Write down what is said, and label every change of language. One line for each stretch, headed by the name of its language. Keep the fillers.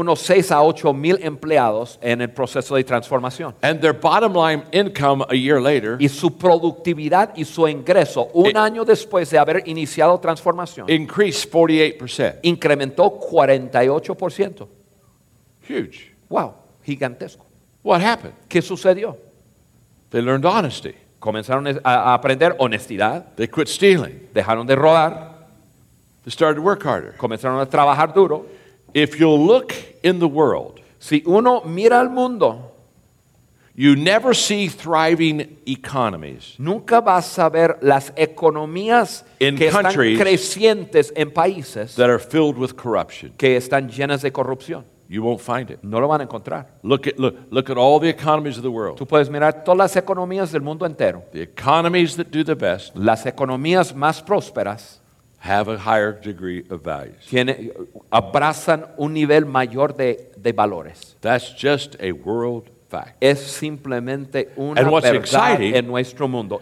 Spanish: unos seis a 8 mil empleados en el proceso de transformación.
English: And their bottom line income, a year later.
Spanish: Y su productividad y su ingreso un it, año después de haber iniciado transformación.
English: Increased 48%.
Spanish: Incrementó 48%.
English: Huge. Wow,
Spanish: gigantesco.
English: What happened?
Spanish: ¿Qué sucedió?
English: They learned honesty.
Spanish: Comenzaron a aprender honestidad.
English: They quit stealing.
Spanish: Dejaron de robar.
English: They started to work harder.
Spanish: Comenzaron a trabajar duro.
English: If you look in the world,
Spanish: si uno mira al mundo,
English: you never see thriving economies.
Spanish: Nunca vas a ver las economías in que están crecientes en países
English: that are filled with corruption.
Spanish: Que están llenas de corrupción.
English: You won't find it.
Spanish: No lo van a encontrar.
English: Look at look, look at all the economies of the world.
Spanish: Tú puedes mirar todas las economías del mundo entero.
English: The economies that do the best.
Spanish: Las economías más prósperas.
English: Have a higher degree of values.
Spanish: Tiene, abrazan un nivel mayor de, de valores.
English: That's just a world
Spanish: Es simplemente una verdad en nuestro mundo.